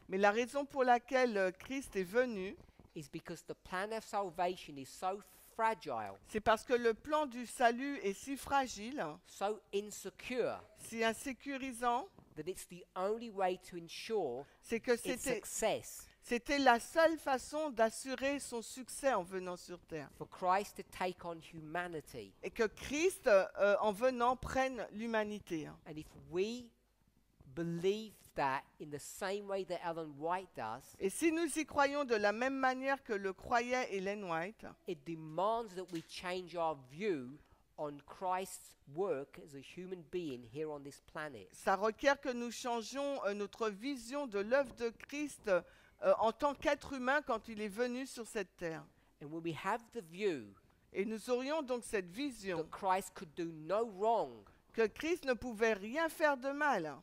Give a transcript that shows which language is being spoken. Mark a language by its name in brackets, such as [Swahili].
[French] mais la raison pour laquelle Christ est venu, [English] is because the plan of salvation is so fragile. [French] C'est parce que le plan du salut est si fragile, [English] so insecure, [French] si insécurisant. [English] That it's the only way to ensure [French] c'est que c'était, [English] its success. [French] C'était la seule façon d'assurer son succès en venant sur Terre. [English] For Christ to take on humanity. [French] Et que Christ, en venant, prenne l'humanité. [English] And if we believe that in the same way that Ellen White does, [French] et si nous y croyons de la même manière que le croyait Ellen White, [English] it demands that we change our view on Christ's work as a human being here on this planet. [French] Ça requiert que nous changions notre vision de l'œuvre de Christ en tant qu'être humain quand il est venu sur cette terre. [English] And when we have the view, [French] et nous aurions donc cette vision, [English] that Christ could do no wrong, [French] que Christ ne pouvait rien faire de mal,